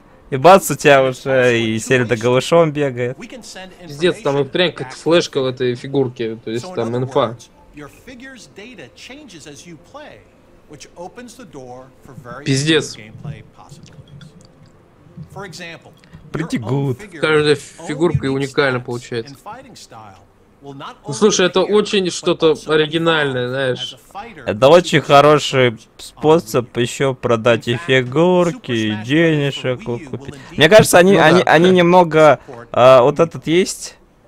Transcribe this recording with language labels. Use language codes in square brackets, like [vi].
[ru] И бац, у тебя уже и Зельда голышом бегает. Пиздец, там прям как флешка в этой фигурке, то есть там инфа. [en] Your figure's data changes as you play, which opens the door for various gameplay possibilities. For example, pretty good. [ru] Каждая фигурка уникально получается. Ну, слушай, это очень что-то оригинальное, знаешь. Это очень хороший способ еще продать и фигурки, и денежек купить. Мне кажется, они немного вот этот есть.